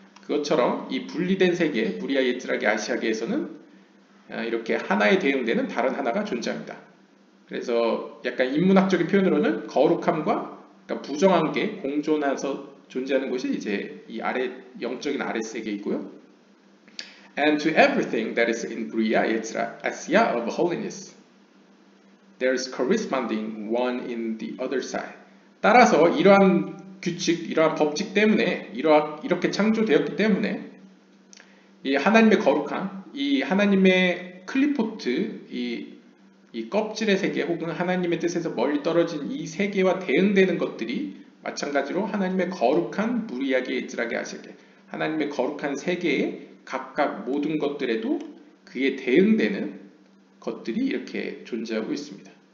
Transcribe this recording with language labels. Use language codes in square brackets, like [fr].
[ko] 그것처럼 이 분리된 세계, 무리아 예찔하게 아시아계에서는 이렇게 하나에 대응되는 다른 하나가 존재합니다. 그래서 약간 인문학적인 표현으로는 거룩함과 그러니까 부정한 게 공존해서 존재하는 곳이 이제 이 아래 영적인 아래 세계이고요. [en] And to everything that is in Bria Yetzirah Asiya of holiness, there is corresponding one in the other side. [ko] 따라서 이러한 규칙, 이러한 법칙 때문에 이렇게 창조되었기 때문에 이 하나님의 거룩함, 이 하나님의 클리포트, 이 껍질의 세계 혹은 하나님의 뜻에서 멀리 떨어진 이 세계와 대응되는 것들이 마찬가지로 하나님의 거룩한 무리하게 예찔하게 하시게 하나님의 거룩한 세계에 각각 모든 것들에도 그에 대응되는 것들이 이렇게 존재하고 있습니다.